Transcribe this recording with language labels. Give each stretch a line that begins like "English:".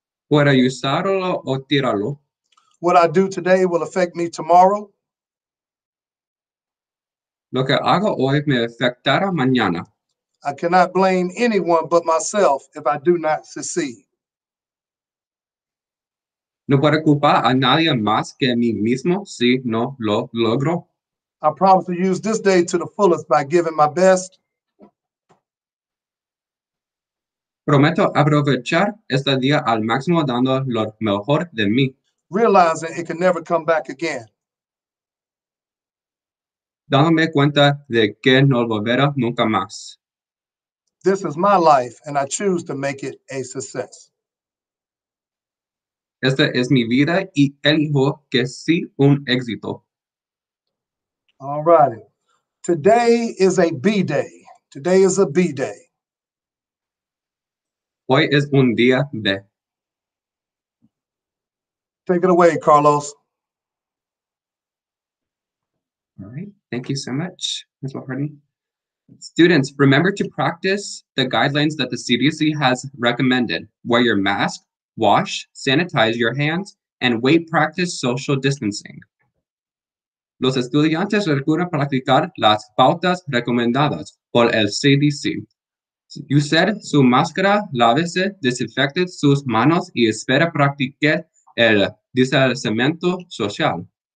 Spanish: Puedo usarlo o tirarlo.
English: What I do today will affect me tomorrow.
Spanish: Lo que hago hoy me afectará mañana.
English: I cannot blame anyone but myself if I do not succeed.
Spanish: No puedo culpar a nadie más que a mí mismo si no lo logro.
English: I promise to use this day to the fullest by giving my best.
Spanish: Prometo aprovechar este día al máximo dando lo mejor de mí.
English: Realizing it can never come back again.
Spanish: Dándome cuenta de que no volverá nunca más.
English: This is my life and I choose to make it a success.
Spanish: Esta es mi vida y elijo que sí un éxito.
English: All right. Today is a B day. Today is a B day.
Spanish: Hoy es un día B.
English: Take it away, Carlos. All right. Thank you so much, Ms. Hardy. Students, remember to practice the guidelines that the CDC has recommended. Wear your mask. Wash, sanitize your hands, and wait, practice social distancing.
Spanish: Los estudiantes recuerdan practicar las pautas recomendadas por el CDC. Use su máscara, lávese, desinfecte sus manos y espera practique el distanciamiento social.